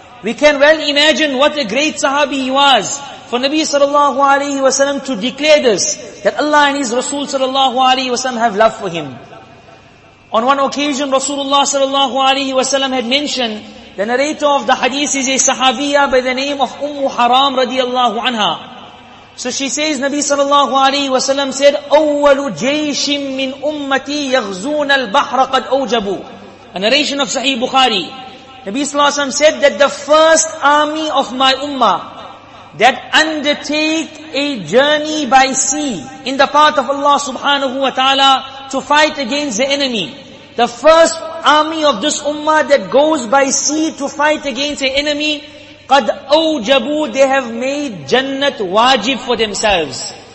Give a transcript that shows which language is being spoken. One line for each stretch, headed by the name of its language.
English: We can well imagine what a great Sahabi he was. For Nabi sallallahu alayhi wa sallam to declare this, that Allah and His Rasul sallallahu alayhi wa sallam have love for him. On one occasion, Rasulullah sallallahu alayhi wa sallam had mentioned, the narrator of the hadith is a sahabiyah by the name of Ummu Haram radiallahu anha. So she says, Nabi sallallahu alayhi wa sallam said,
Arabic: أول جيش من أمتي يغزون البحر قد أوجبوا.
English: A narration of Sahih Bukhari. Nabi sallallahu alayhi wa sallam said that the first army of my ummah that undertake a journey by sea in the path of Allah subhanahu wa ta'ala to fight against the enemy, the first army of this ummah that goes by sea to fight against an enemy,
Arabic: قَدْ أَوْجَبُوا,
English: they have made Jannat wajib for themselves.